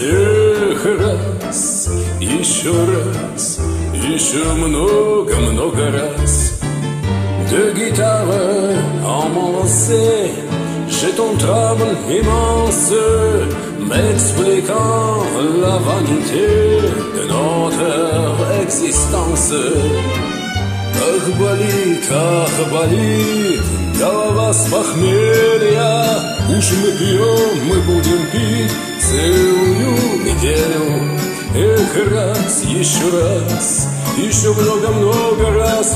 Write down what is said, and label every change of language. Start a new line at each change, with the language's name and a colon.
Russian: Эх, раз, еще много-много раз.
French: De guitare amassée, j'ai ton trouble immense, m'expliquant la vanité de notre existence.
Russian: Ах, болит, ах, болит, голова с похмелья. Уж мы пьем, мы будем пить целую неделю. Эх, раз, еще много-много раз.